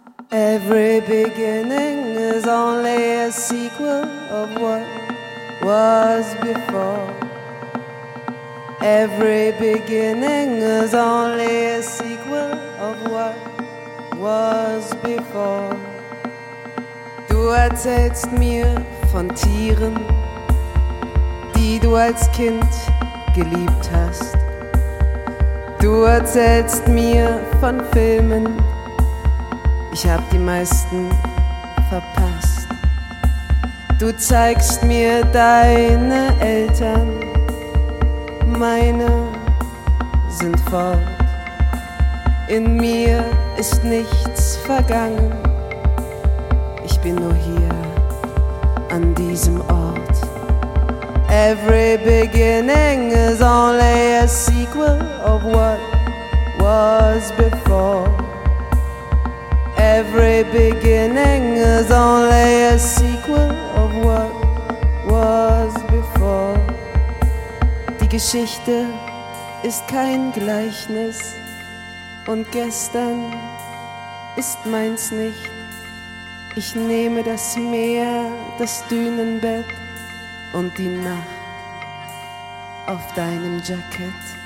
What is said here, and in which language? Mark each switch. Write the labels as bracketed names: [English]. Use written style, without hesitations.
[English] Every beginning is only a sequel of what was before. Every beginning is only a sequel of what was before. [German] Du erzählst mir von Tieren, die du als Kind geliebt hast. Du erzählst mir von Filmen, ich hab die meisten verpasst. Du zeigst mir deine Eltern, meine sind fort. In mir ist nichts vergangen, ich bin nur hier an diesem Ort. [English] Every beginning is only a sequel of what was before. Every beginning is only a sequel of what was before. [German] Die Geschichte ist kein Gleichnis und gestern ist meins nicht. Ich nehme das Meer, das Dünenbett und die Nacht auf deinem Jacket.